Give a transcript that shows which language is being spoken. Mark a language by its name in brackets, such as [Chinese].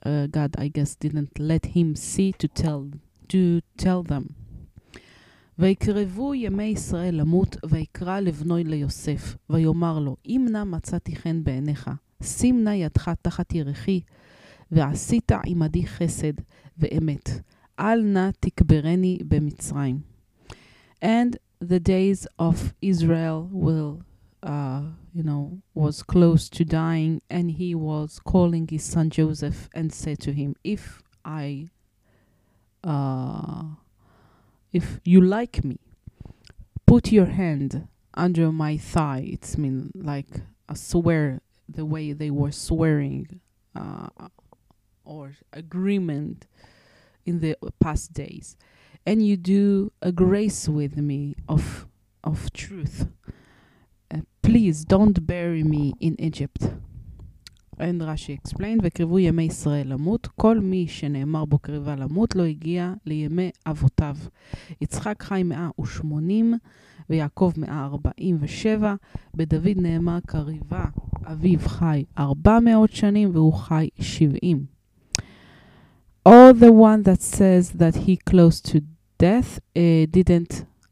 [English] God, I guess, didn't let him see to tell them. [Hebrew] ויקרבו ימי ישראל למות, ויקרא לבנו ליוסף, ויאמר לו, אם נא מצאתי חן בעיניך, שים נא ידך תחת ירחי, ועשית עמדי חסד ואמת, אל נא תקברני במצרים. [English] And the days of Israel will, you know, was close to dying, and he was calling his son Joseph and said to him, if you like me, put your hand under my thigh. It's mean like a swear, the way they were swearing or agreement in the past days, and you do a grace with me of truth. Please don't bury me in Egypt. And Rashi explained, [Hebrew] וקריבו ימי ישראל למות, כל מי שנאמר בו קריבה למות לא הגיע לימי אבותיו. יצחק חי 180, ויעקב 147, בדוד נאמר קריבה, אביו חי 400 שנים, והוא חי 70. [English] All the one that says that he close to death didn't...